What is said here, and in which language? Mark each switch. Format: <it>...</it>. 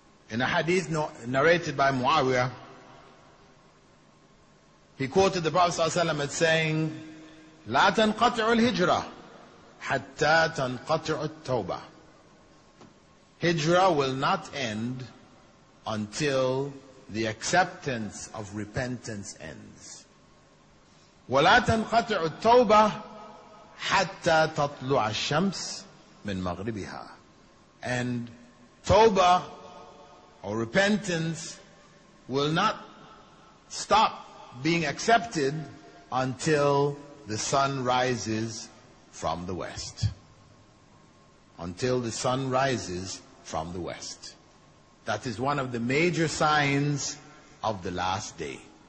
<en>In a hadith narrated by Muawiyah, he quoted the Prophet sallallahu alaihi wasallam as saying,</en> <ar>"La tanqati'u al-hijra hatta tanqati'u at-tawbah."</ar> <en>Hijrah will not end until the acceptance of repentance ends.</en> <ar>ولا تنقطع التوبة حتى تطلع الشمس من مغربها.</ar> <en>And توبة or repentance will not stop being accepted until the sun rises from the west. Until the sun rises from the west. That is one of the major signs of the last day.</en>